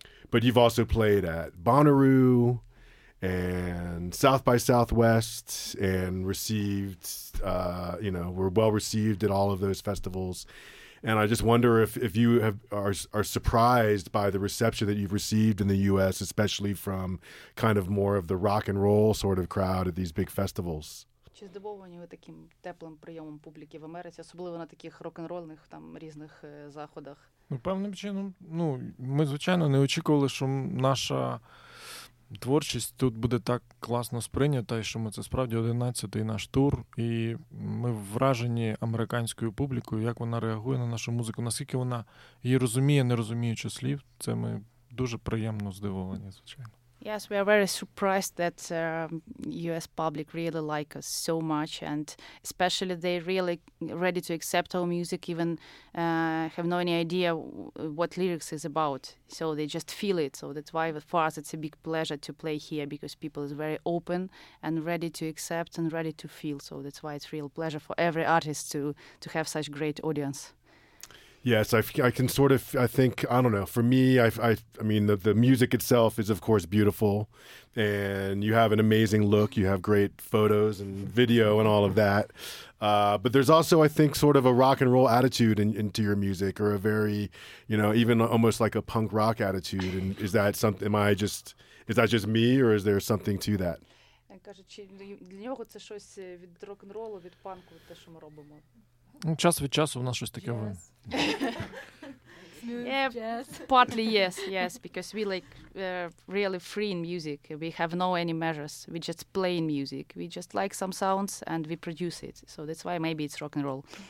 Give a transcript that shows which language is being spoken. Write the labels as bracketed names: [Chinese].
[English] But you've also played at Bonnaroo and South by Southwest, and received, were well received at all of those festivals. And I just wonder if you are surprised by the reception that you've received in the U.S., especially from kind of more of the rock and roll sort of crowd at these big festivals. [Ukrainian] Чи здивовані ви таким теплим прийомом публіки в Америці, особливо на таких рок-н-рольних там різних заходах? Ну, певним чином, ну, ми, звичайно, не очікували, що наша творчість тут буде так класно сприйнята, і що ми це справді 11-й наш тур, і ми вражені американською публікою, як вона реагує на нашу музику, наскільки вона її розуміє, не розуміючи слів, це ми дуже приємно здивовані, звичайно. [English] Yes, we are very surprised that U.S. public really like us so much, and especially they really ready to accept our music, even have no any idea what lyrics is about. So they just feel it. So that's why for us it's a big pleasure to play here, because people is very open and ready to accept and ready to feel. So that's why it's real pleasure for every artist to have such great audience. Yes, the music itself is, of course, beautiful, and you have an amazing look, you have great photos and video and all of that, but there's also, I think, sort of a rock and roll attitude into your music, or a very, you know, even almost like a punk rock attitude, and is that just me, or is there something to that? [Ukrainian] Для нього це щось від рок-н-ролу, від панку, те, що ми робимо. Ну, час від часу у нас щось таке ви. [English] Partly yes, because we like really free in music. We have no any measures. We just play in music. We just like some sounds and we produce it. So that's why maybe it's rock and roll.